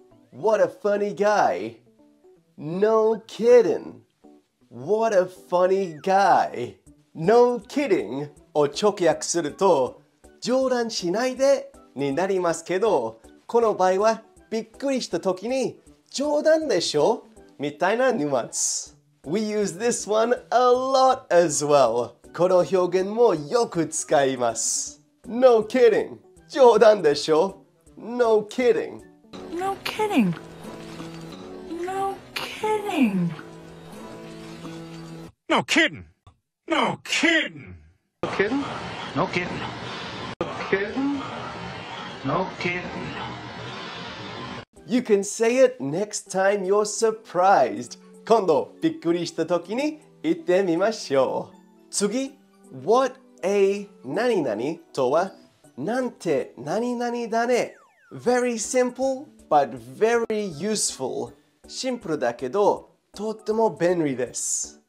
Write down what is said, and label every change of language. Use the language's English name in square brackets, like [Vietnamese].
[English] What a funny guy. No kidding. What a funny guy. No kidding. [Japanese] を直訳すると、冗談しないでになりますけど、この場合はびっくりした時に冗談でしょみたいなニュアンス。 [English] We use this one a lot as well. [Japanese] この表現もよく使います。 [English] No kidding. [Japanese] 冗談でしょ [English] No kidding. No kidding. No kidding. No kidding. No kidding. No kidding. No kidding. No kidding. No kidding. You can say it next time you're surprised. [Japanese] 今度びっくりした時に言ってみましょう。次、What a 何々とは、なんて何々だね。 [English] Very simple, but very useful. [Japanese] シンプルだけど、とっても便利です。